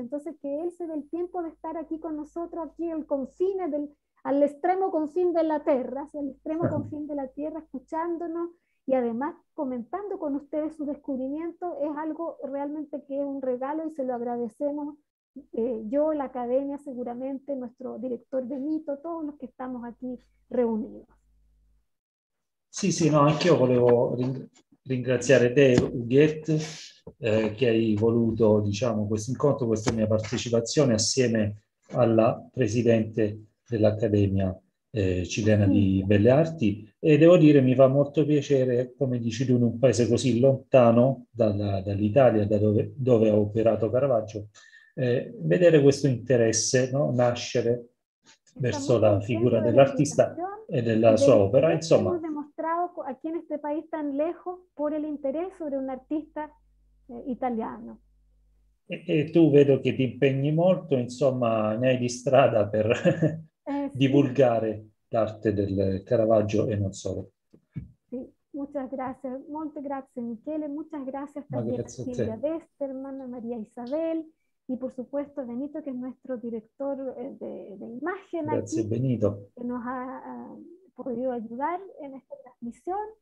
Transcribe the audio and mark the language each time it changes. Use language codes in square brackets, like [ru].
[es] Entonces, que él se dé el tiempo de estar aquí con nosotros, aquí al extremo confín de la tierra, hacia el extremo confín de la tierra, escuchándonos y además comentando con ustedes su descubrimiento, es algo realmente que es un regalo y se lo agradecemos. Yo, la academia, seguramente nuestro director Benito, todos los que estamos aquí reunidos. [it] Sì, no, anche io volevo ringraziare te, Huguette, che hai voluto, diciamo, questo incontro, questa mia partecipazione assieme alla presidente dell'Accademia Cilena di [es] Silvia. [it] Belle Arti. E devo dire, mi fa molto piacere, come dici tu, in un paese così lontano dall'Italia, da dove ha operato Caravaggio, vedere questo interesse, no, nascere verso la figura dell'artista e della sua opera, insomma. [es] Hemos demostrado aquí en este país tan lejos por el interés sobre un artista italiano. [it] E tu vedo che ti impegni molto, insomma, ne hai di strada per divulgare l'arte del Caravaggio e non solo. Sì, [es] muchas gracias, [it] molte grazie [es] Michele, muchas gracias también a Silvia Westermann, a Maria Isabel. Y por supuesto Benito, que es nuestro director de imagen. Gracias, aquí, Benito. Que nos ha podido ayudar en esta transmisión.